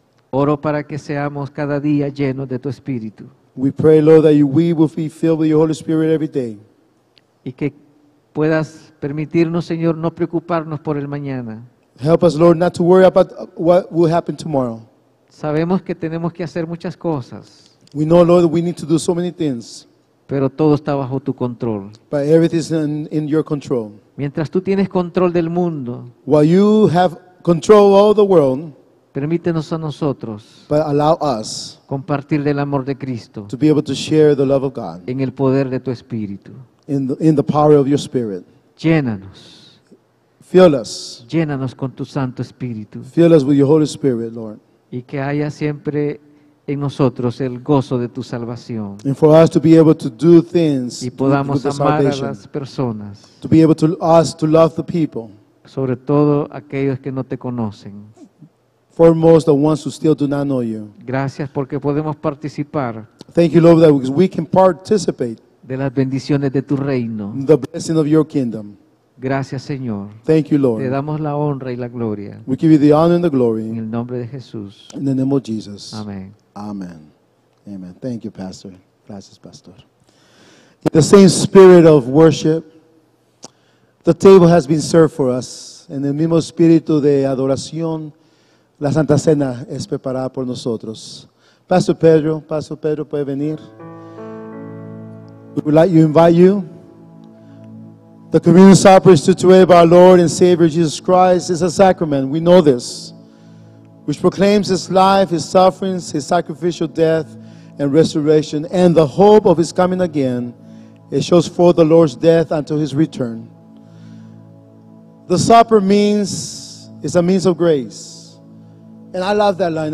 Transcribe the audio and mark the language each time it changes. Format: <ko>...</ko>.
<es>Oro para que seamos cada día llenos de tu Espíritu.</es> <en>We pray, Lord, that we will be filled with your Holy Spirit every day.</en> <es>Y que puedas permitirnos, Señor, no preocuparnos por el mañana.</es> <en>Help us, Lord, not to worry about what will happen tomorrow.</en> <es>Sabemos que tenemos que hacer muchas cosas.</es> <en>We know, Lord, we need to do so many things.</en> <es>Pero todo está bajo tu control.</es> <en>But everything is in your control.</en> <es>Mientras tú tienes control del mundo.</es> <en>While you have control of the world.</en> <es>Permítenos a nosotros.</es> <en>But allow us.</en> <es>Compartir del amor de Cristo.</es> <en>To be able to share the love of God.</en> <es>En el poder de tu Espíritu.</es> <en>In the power of your spirit.</en> <es>Llénanos.</es> <en>Fill us.</en> <es>Llénanos con tu Santo Espíritu.</es> <en>Fill us with your Holy Spirit, Lord.</en> <es>Y que haya siempre en nosotros el gozo de tu salvación.</es> <en>And for us to be able to do things.</en> <es>Y podamos amar a las personas.</es> <en>To be able to us to love the people.</en> <es>Sobre todo aquellos que no te conocen.</es> <en>Foremost, the ones who still do not know you.</en> <es>Gracias porque podemos participar.</es> <en>Thank you, Lord, that we can participate.</en> <es>De las bendiciones de tu reino.</es> <en>The blessing of your kingdom.</en> <es>Gracias, Señor.</es> <en>Thank you, Lord.</en> <es>Te damos la honra y la gloria.</es> <en>We give you the honor and the glory.</en> <es>En el nombre de Jesús.</es> <en>In the name of Jesus. Amen. Amen. Amen. Thank you, Pastor.</en> <es>Gracias, Pastor.</es> <en>In the same spirit of worship, the table has been served for us.</en> <es>En el mismo espíritu de adoración, la Santa Cena es preparada por nosotros. Pastor Pedro puede venir.</es> <en>We would like to invite you. The communion supper is to today of our Lord and Savior Jesus Christ is a sacrament. We know this, which proclaims his life, his sufferings, his sacrificial death and resurrection, and the hope of his coming again. It shows forth the Lord's death until his return. The supper means is a means of grace. And I love that line.</en>